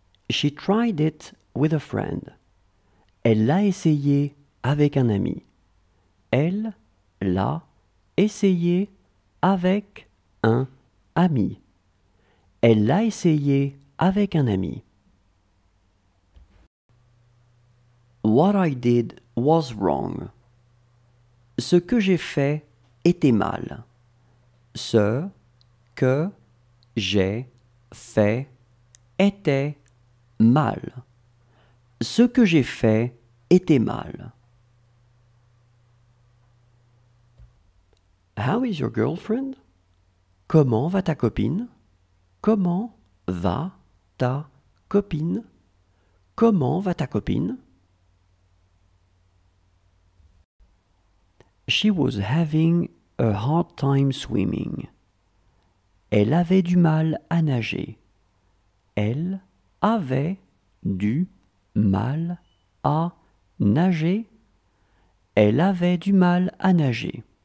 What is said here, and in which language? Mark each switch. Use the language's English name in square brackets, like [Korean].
[English] She tried it with a friend. [French] Elle l'a essayé avec un ami. Elle l'a essayé avec un ami. Elle l'a essayé avec un ami. [English] What I did was wrong. [French] Ce que j'ai fait était mal. Ce que j'ai fait était mal. Ce que j'ai fait était mal. [English] How is your girlfriend? [French] Comment va ta copine? Comment va ta copine? Comment va ta copine? [English] She was having a hard time swimming. [French] Elle avait du mal à nager. Elle avait du mal à nager. Elle avait du mal à nager.